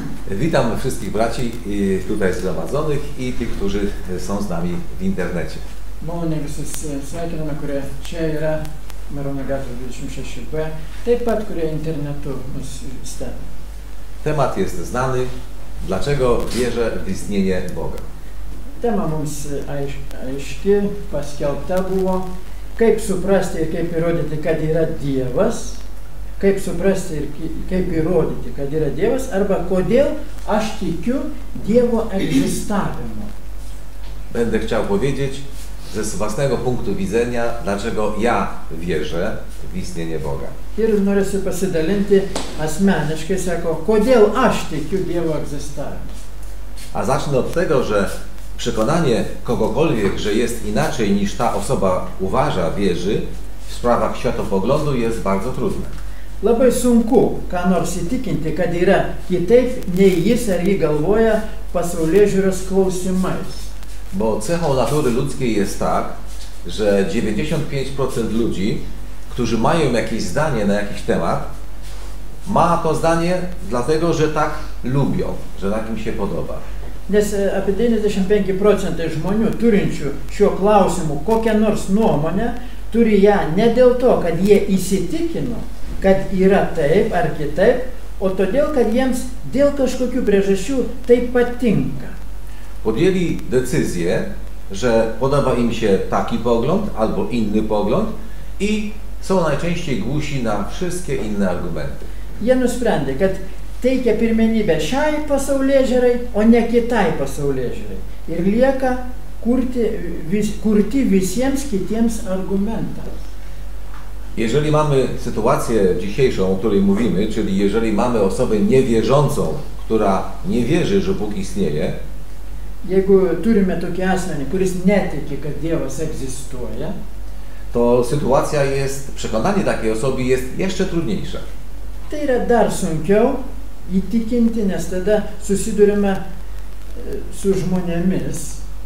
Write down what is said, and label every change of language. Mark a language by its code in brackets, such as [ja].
[pl] Witam wszystkich braci tutaj zgromadzonych i tych, którzy są z nami w internecie. [lt] Moni, visi sveikiname, kurie čia yra, Merono gatvė 26 B, taip pat, kurie internetu mus stebi. [pl] Temat jest znany. Dlaczego wierzę w istnienie Boga? [lt] Tema mums aiški, paskelbta buvo. Kaip suprasti ir kaip įrodyti, kad yra Dievas? Kaip suprasti ir kaip įrodyti, kad yra Dievas? Arba kodėl aš tikiu Dievo egzistavimu? [pl] Będę chciał powiedzieć ze własnego punktu widzenia, dlaczego ja wierzę w istnienie Boga. [lt] Ir norėsiu pasidalinti asmeniškai, sako, kodėl aš tikiu Dievo egzistavimu. [pl] A zacznę od tego, że przekonanie kogokolwiek, że jest inaczej niż ta osoba uważa, wierzy, w sprawach światopoglądu jest bardzo trudne. [lt] Labai sunku ką nors įtikinti, kad yra kitaip, nei jis ar jį galvoja pasaulėžiūros klausimais. [pl] Bo cechą natury ludzkiej jest tak, że 95% ludzi, którzy mają jakieś zdanie na jakiś temat, ma to zdanie dlatego, że tak lubią, że tak im się podoba. [lt] Nes apie 95% žmonių turinčių šiuo klausimu kokią nors nuomonę, turi ją ne dėl to, kad jie įsitikino, kad yra taip ar kitaip, o todėl, kad jiems dėl kažkokių priežasčių taip patinka. [pl] Podjęli decyzję, że podoba im się taki pogląd albo inny pogląd i są najczęściej głusi na wszystkie inne argumenty. [lt] Jie nusprendė, kad teikia pirmenybę šiai pasaulėžiūrai, o ne kitai pasaulėžiūrai. Ir lieka kurti visiems kitiems argumentams. [pl] Jeżeli mamy sytuację dzisiejszą, o której mówimy, czyli jeżeli mamy osobę niewierzącą, która nie wierzy, że Bóg istnieje, [lt] jeigu turime tokį asmenį, kuris netiki, kad Dievas egzistuoja, [pl] to sytuacja jest, przekonanie takiej osoby jest jeszcze trudniejsza. [lt] Tai yra dar sunkiau įtikinti, nes tada susidurime su žmonėmis.